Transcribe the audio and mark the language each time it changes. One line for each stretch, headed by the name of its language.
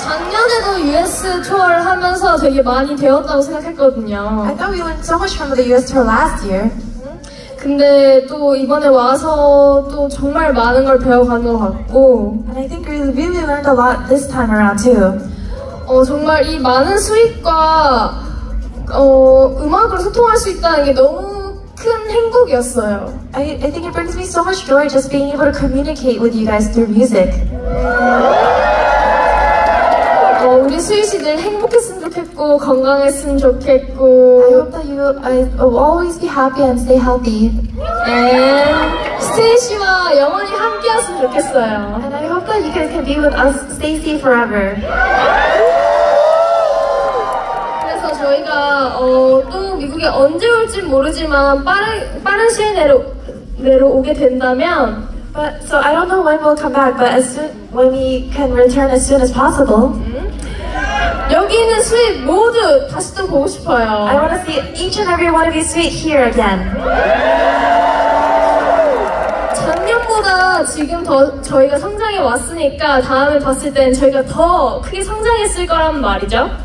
Korean: 홍보가 되게 많이 되었다고 생각했거든요.
English: I thought we went so much from the US tour last year.
Korean: 근데 또 이번에 와서 또 정말 많은 걸 배워가는 것 같고.
English: And I think we really learned a lot this time around too.
Korean: 정말 이 많은 스윗과 음악으로 소통할 수 있다는 게 너무 큰 행복이었어요.
English: I think it brings me so much joy just being able to communicate with you guys through music.
Korean: 우리 스윗이들 행복했으면 좋겠고 건강했으면 좋겠고.
English: I hope that you will always be happy and stay healthy.
Korean: And STAYC와 영원히 함께였으면 좋겠어요.
English: And I hope that you guys can be with us, STAYC, forever.
Korean: 그래서 저희가 또 미국에 언제 올지 모르지만 빠른 시일 내로 오게 된다면.
English: But so I don't know when we'll come back, but as soon when we can return as soon as possible.
Korean: 여기 있는 스윗 모두 다시 또 보고 싶어요.
English: I want to see each and every one of you sweet here again.
Korean: 작년보다 지금 더 저희가 성장해 왔으니까 다음에 봤을 땐 저희가 더 크게 성장했을 거란 말이죠.